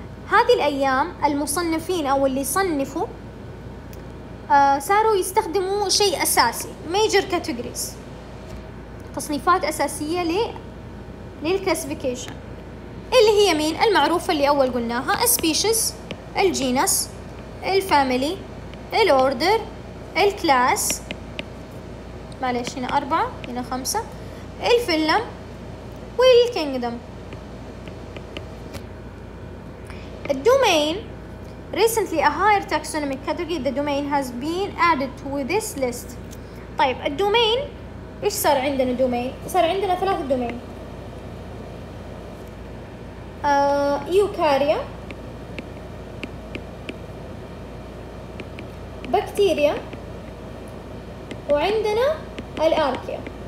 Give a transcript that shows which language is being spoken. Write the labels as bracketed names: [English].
[Arabic] هذه الأيام المصنفين أو اللي صنفوا صاروا يستخدموا شيء أساسي major categories، تصنيفات أساسية للكلاسيفيكيشن، اللي هي مين؟ المعروفة اللي أول قلناها species، الجينس، الفاميلي، الأوردر، الكلاس، معلش هنا أربعة هنا خمسة، الفيلم والكينغدم. [English] الدومين recently a higher taxonomic category the domain has been added to this list. [Arabic] طيب الدومين ايش صار عندنا؟ دومين صار عندنا ثلاث دومين، يوكاريا، بكتيريا، وعندنا الاركيا.